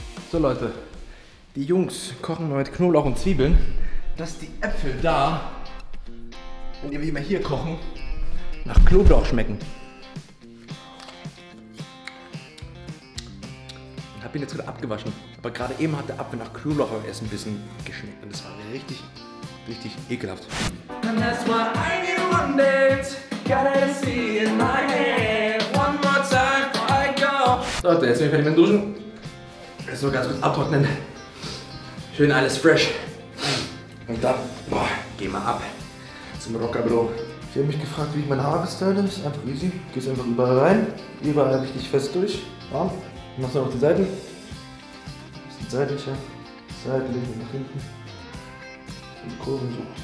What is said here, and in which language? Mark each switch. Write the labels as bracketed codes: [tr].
[de] So Leute, die Jungs kochen mit Knoblauch und Zwiebeln, dass die Äpfel da, wenn die wie wir hier kochen, nach Knoblauch schmecken. Ich habe ihn jetzt gerade abgewaschen, aber gerade eben hat der Apfel nach Knoblauch beim Essen ein bisschen geschmeckt und das war richtig, richtig ekelhaft. [en] And that's why I knew one day, gotta see in my hand, one more time before I go. [de] So Leute, jetzt bin ich fertig mit dem Duschen. So ganz kurz abtrocknen. Schön alles fresh. Und dann, boah, gehen wir ab zum Rockerbüro. Sie haben mich gefragt, wie ich meine Haare style. Ist einfach easy. Gehst einfach überall rein. Überall richtig fest durch. Warm. Machst du noch die Seiten. Bisschen seitlich, ja. Seitlich und nach hinten. Und Kurven so.